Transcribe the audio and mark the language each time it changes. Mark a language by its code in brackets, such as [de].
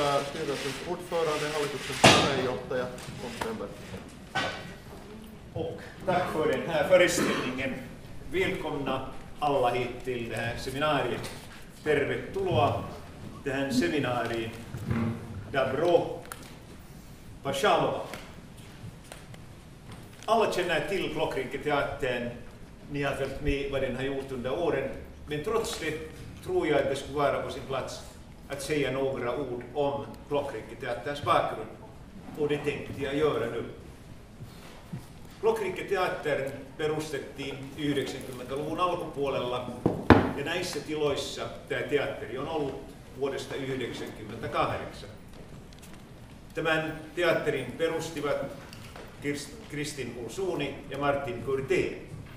[sv] styrelsens ordförande, [fi] hallituksens puheenjohtaja, [sv] Kontenberg. Och tack för den här föreställningen. Välkomna alla hit till det här seminariet. [fi] Tervetuloa tähän seminaariin. [ru] Dabro. Pashalva. [sv] Alla känner till Klockrinketeatern. Ni har följt med vad den har gjort under åren. Men trots det tror jag att det skulle vara på sin plats att säga några ord om Klockrinketeaterns bakgrund. Och det tänkte jag göra nu. [fi] Klockrinketeatern perustettiin 90-luvun alkupuolella. Ja näissä tiloissa tämä teatteri on ollut vuodesta 1998. Tämän teatterin perustivat Kristin Ulsuuni ja Martin Kurtén.